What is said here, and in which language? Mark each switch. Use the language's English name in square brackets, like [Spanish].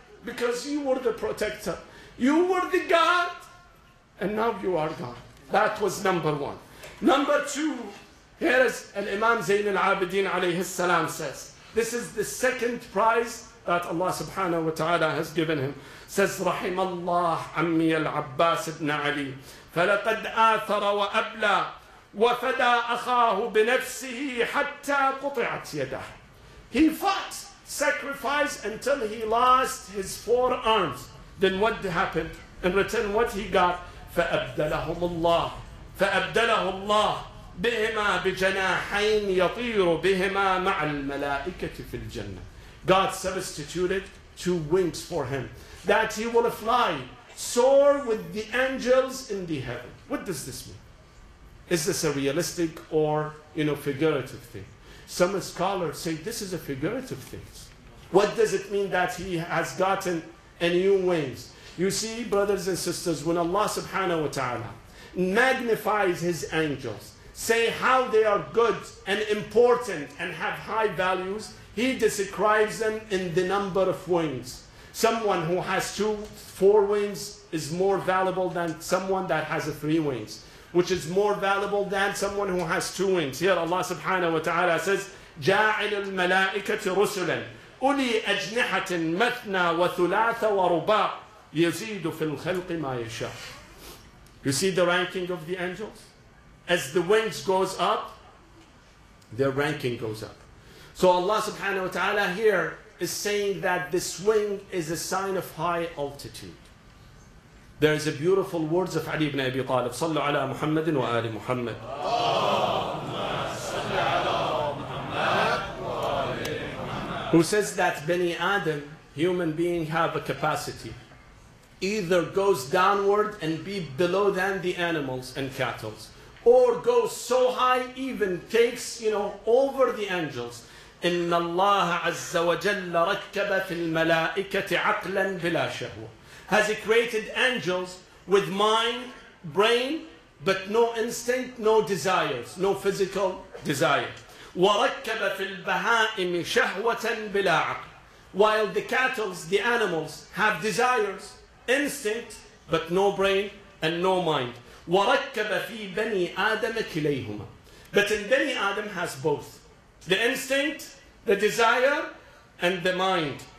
[English] because you were the protector. You were the God, and now you are God. That was number one. Number two, here is Imam Zain al-Abidin alayhi salam says, this is the second prize that Allah subhanahu wa ta'ala has given him. Says, [Arabic] رحم الله عمي العباس بن علي فلقد آثر وأبلى وفدى أخاه بنفسه حتى قطعت يده. [English] He fought, sacrificed until he lost his four arms. Then what happened? In return, what he got? [Arabic] فأبدلهم الله فأبدلهم الله بهما بجناحين يطير بهما مع الملائكة في الجنة. [English] God substituted two wings for him, that he will fly, soar with the angels in the heaven. What does this mean? Is this a realistic or, you know, figurative thing? Some scholars say this is a figurative thing. What does it mean that he has gotten a new wings? You see, brothers and sisters, when Allah subhanahu wa ta'ala magnifies his angels, say how they are good and important and have high values, he describes them in the number of wings. Someone who has two, four wings is more valuable than someone that has a three wings, which is more valuable than someone who has two wings. Here Allah subhanahu wa ta'ala says, [Arabic] جَاعِلُ الْمَلَائِكَةِ رُسُلًا أُولِي أَجْنِحَةٍ مَثْنَى وَثُلَاثَ وَرُبَاعَ يَزِيدُ فِي الْخَلْقِ مَا يَشَاءُ. [English] You see the ranking of the angels? As the wings goes up, their ranking goes up. So Allah subhanahu wa ta'ala here is saying that this wing is a sign of high altitude. There is a beautiful words of Ali ibn Abi Talib, sallu ala Muhammadin wa ali Muhammad. Allahumma salli ala Muhammad wa ali Muhammad. Who says that Bani Adam, human being, have a capacity. Either goes downward and be below than the animals and cattle, or goes so high even takes, you know, over the angels. [Arabic] إن الله عز وجل ركب في الملائكة عقلا بلا شهوة. [English] Has he created angels with mind, brain, but no instinct, no desires, no physical desire. [Arabic] وركب في البهائم شهوة بلا عقل. [English] While the cattle, the animals, have desires, instinct, but no brain and no mind. [Arabic] وركب في بني آدم كليهما. [English] But in Bani Adam has both. The instinct, the desire, and the mind.